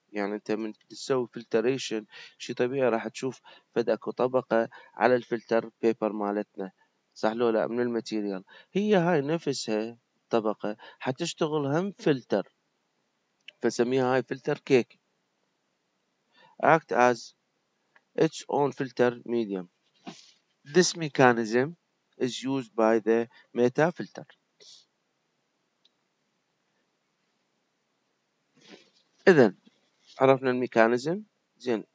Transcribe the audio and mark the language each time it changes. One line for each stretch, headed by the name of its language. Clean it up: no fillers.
Arabic: يعني انت من تسوي filtration شي طبيعي راح تشوف فدأكو طبقة على الفلتر paper مالتنا, صح لو لا, من الماتيريال هي هاي نفسها طبقة حتشتغل هم filter فسميها هاي filter cake, act as its own filter medium.
English: This mechanism is used by the meta filter.
Arabic: إذن عرفنا الميكانيزم زين.